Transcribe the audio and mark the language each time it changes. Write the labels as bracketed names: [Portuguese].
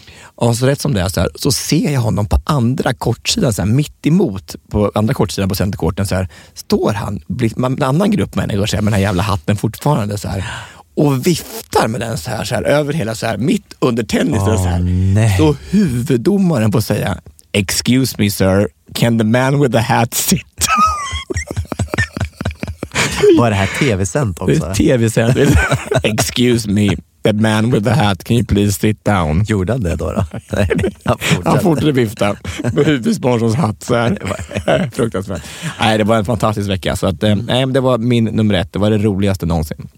[Swedish] Och så rätt som det är så här, så ser jag honom på andra kortsidan, så här, mitt emot, på andra kortsidan på centerkorten, så här, står han, blir en annan grupp människor, så här, med den här jävla hatten fortfarande, så här. och viftar med den så här över hela så här mitt under tennisen så här. Nej. Så huvuddomaren får säga: [English] "Excuse me sir, can the man with the hat sit down?" [Swedish] Var det här tv-sänt också? Det är tv-sänt. [English] "Excuse me, the man with the hat, can you please sit down?" [Swedish] Gjorde han det då? Han fortsatte vifta med huvudsponsorns hatt så här. Fruktansvärt. Nej, det var en fantastisk vecka. Så att, det var min nummer ett. Det var det roligaste någonsin.